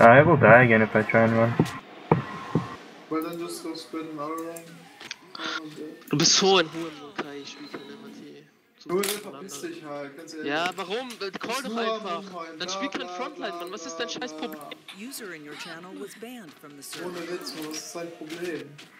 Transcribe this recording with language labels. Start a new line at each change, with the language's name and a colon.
English: I will die again if I try and run. Well, then just go spread an auto ring.
German: Du bist so ein Huren, Kai, ich spiel keine MRT. Du verpiss dich halt, ganz ehrlich. Ja, warum? Call doch einfach. Dann spiel kein Frontline, Mann, was ist dein scheiß Problem?
English: User in your channel was banned from the server.
German: Ohne Witz, was ist dein Problem?